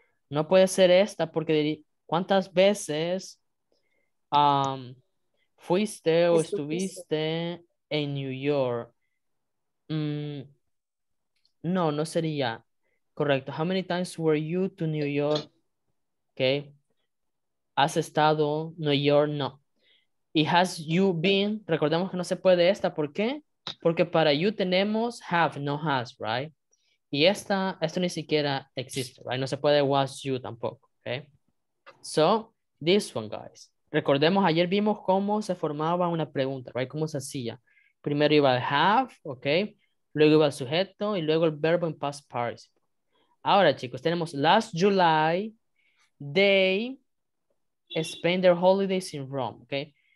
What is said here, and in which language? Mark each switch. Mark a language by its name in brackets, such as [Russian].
[Spanish] No puede ser esta porque ¿cuántas veces fuiste o estuviste en New York? No, no sería correcto. [English] How many times were you to New York? [Spanish] Okay. ¿Has estado en New York? No. ¿Y [English] has you been? [Spanish] Recordemos que no se puede esta. ¿Por qué? Porque para you tenemos have, no has, right? Y esta, esto ni siquiera existe, right? No se puede [English] was you [Spanish] tampoco, okay? [English] So, this one, guys. [Spanish] Recordemos, ayer vimos cómo se formaba una pregunta, right? ¿Cómo se hacía? Primero iba el have, okay? Luego iba el sujeto y luego el verbo en past participle. Ahora, chicos, tenemos [English] last July, they spent their holidays in Rome, [Spanish] okay?